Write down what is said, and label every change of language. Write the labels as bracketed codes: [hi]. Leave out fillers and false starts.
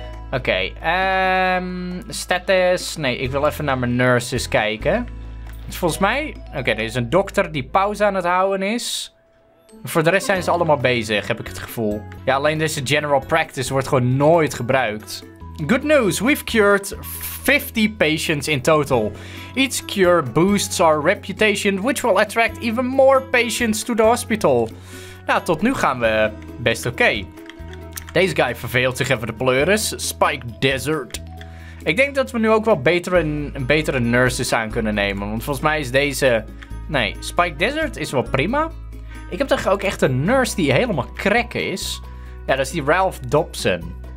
[nl] Oké, status. Nee, ik wil even naar mijn nurses kijken. Dus volgens mij, oké, er is een dokter die pauze aan het houden is. Voor de rest zijn ze allemaal bezig, heb ik het gevoel. Ja, alleen deze general practice wordt gewoon nooit gebruikt. [en] Good news, we've cured 50 patients in total. Each cure boosts our reputation, which will attract even more patients to the hospital. [nl] Nou, tot nu gaan we best oké. Deze guy verveelt zich even de pleuris. Spike Desert. Ik denk dat we nu ook wel betere nurses aan kunnen nemen. Want volgens mij is deze... Nee, Spike Desert is wel prima. Ik heb toch ook echt een nurse die helemaal crack is. Ja, dat is die Ralph Dobson.